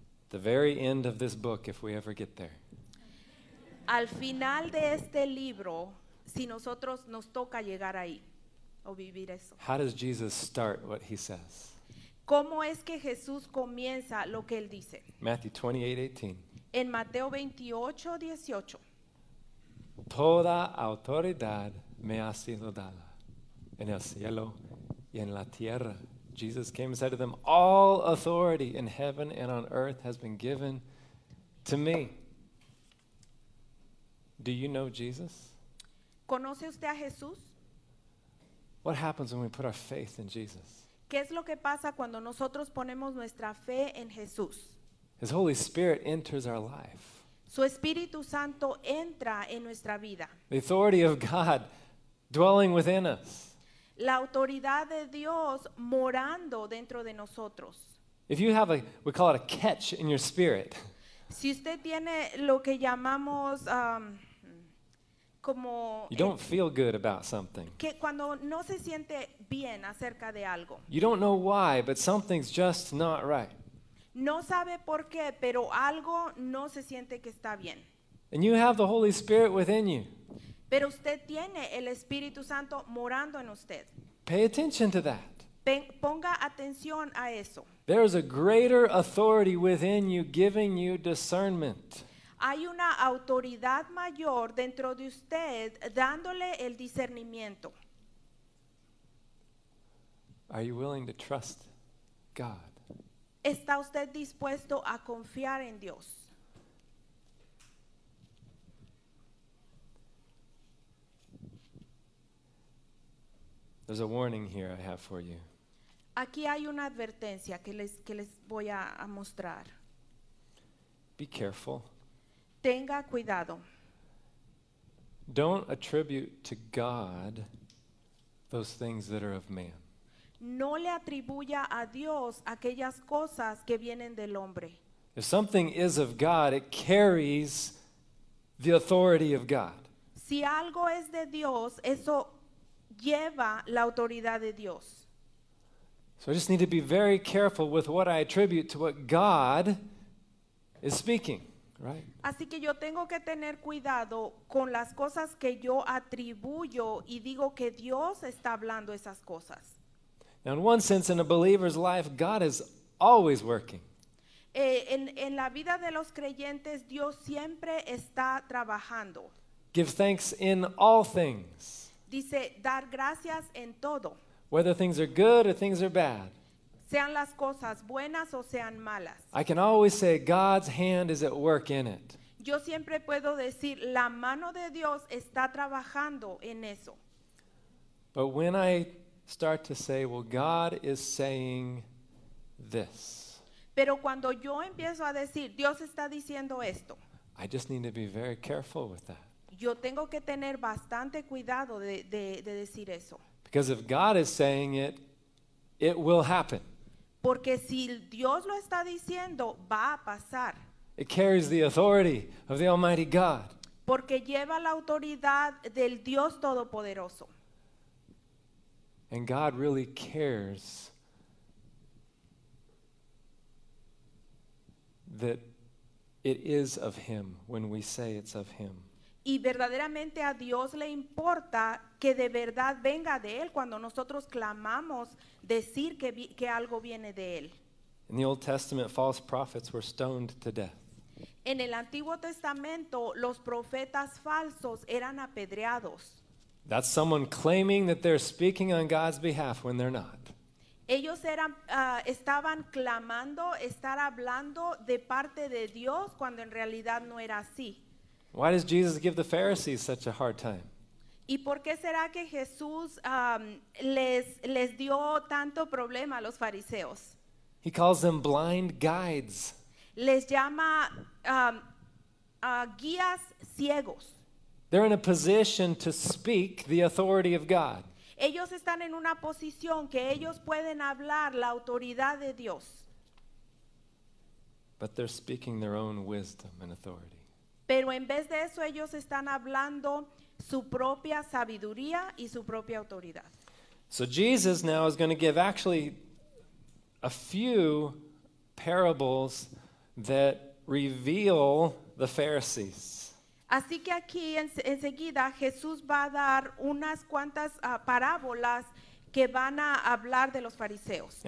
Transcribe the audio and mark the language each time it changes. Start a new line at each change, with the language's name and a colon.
English: The very end of this book, if we ever get there.
Spanish: Al final de este libro, si nosotros nos toca llegar ahí o vivir eso.
English: How does Jesus start what he says?
Spanish: ¿Cómo es que Jesús comienza lo que él dice?
English: Matthew 28:18.
Spanish: En Mateo 28:18. Toda autoridad me ha sido dada en el cielo y en la tierra.
English: Jesus came and said to them, all authority in heaven and on earth has been given to me. Do you know Jesus?
Spanish: ¿Conoce usted a Jesús?
English: What happens when we put our faith in Jesus?
Spanish: ¿Qué es lo que pasa cuando nosotros ponemos nuestra fe en Jesús?
English: His Holy Spirit enters our life.
Spanish: Su Espíritu Santo entra en nuestra vida.
English: The authority of God dwelling within us.
Spanish: La autoridad de Dios morando dentro de nosotros.
English: If you have we call it a catch in your spirit.
Spanish: Si usted tiene lo que llamamos como
English: you don't feel good about something.
Spanish: Que cuando no se siente bien acerca de algo.
English: You don't know why, but something's just not right.
Spanish: No sabe por qué, pero algo no se siente que está bien.
English: And you have the Holy Spirit within you.
Spanish: Pero usted tiene el Espíritu Santo morando en usted.
English: Pay attention to that.
Spanish: Ponga atención a eso.
English: There is a greater authority within you giving you discernment.
Spanish: Hay una autoridad mayor dentro de usted dándole el discernimiento.
English: Are you willing to trust God?
Spanish: ¿Está usted dispuesto a confiar en Dios?
English: There's a warning here I have for you.
Spanish: Aquí hay una advertencia que les voy a mostrar.
English: Be careful.
Spanish: Tenga cuidado.
English: Don't attribute to God those things that are of man.
Spanish: No le atribuya a Dios aquellas cosas que vienen del hombre.
English: If something is of God, it carries the authority of God.
Spanish: Si algo es de Dios, eso lleva la autoridad de Dios.
English: So I just need to be very careful with what I attribute to what God is speaking, right?
Spanish: Así que yo tengo que tener cuidado con las cosas que yo atribuyo y digo que Dios está hablando esas cosas.
English: Now, in one sense, in a believer's life, God is always working.
Spanish: En la vida de los creyentes, Dios siempre está trabajando.
English: Give thanks in all things.
Spanish: Dice, dar gracias en todo.
English: Whether things are good or things are bad.
Spanish: Sean las cosas buenas o sean malas.
English: I can always say God's hand is at work in it.
Spanish: Yo siempre puedo decir, la mano de Dios está trabajando en eso.
English: But when I start to say, well, God is saying this.
Spanish: Pero cuando yo empiezo a decir, Dios está diciendo esto.
English: I just need to be very careful with that.
Spanish: Yo tengo que tener bastante cuidado de decir eso.
English: Because if God is saying it, it will happen.
Spanish: Porque si Dios lo está diciendo, va a pasar.
English: It carries the authority of the Almighty God.
Spanish: Porque lleva la autoridad del Dios Todopoderoso.
English: And God really cares that it is of Him when we say it's of Him.
Spanish: Y verdaderamente a Dios le importa que de verdad venga de Él cuando nosotros clamamos decir que algo viene de Él.
English: In the Old Testament, false prophets were stoned to death.
Spanish: En el Antiguo Testamento, los profetas falsos eran apedreados.
English: That's someone claiming that they're speaking on God's behalf when they're not.
Spanish: Ellos eran, estaban clamando, estar hablando de parte de Dios cuando en realidad no era así.
English: Why does Jesus give the Pharisees such a hard time?
Spanish: ¿Y por qué será que Jesús les dio tanto problema a los fariseos?
English: He calls them blind guides.
Spanish: Les llama guías ciegos.
English: They're in a position to speak the authority of God.
Spanish: Ellos están en una posición que ellos pueden hablar la autoridad de Dios.
English: But they're speaking their own wisdom and authority.
Spanish: Pero en vez de eso, ellos están hablando su propia sabiduría y su propia autoridad.
English: So Jesus now is going to give actually a few parables that reveal the Pharisees.
Spanish: Así que aquí enseguida Jesús va a dar unas cuantas parábolas que van a hablar de los fariseos.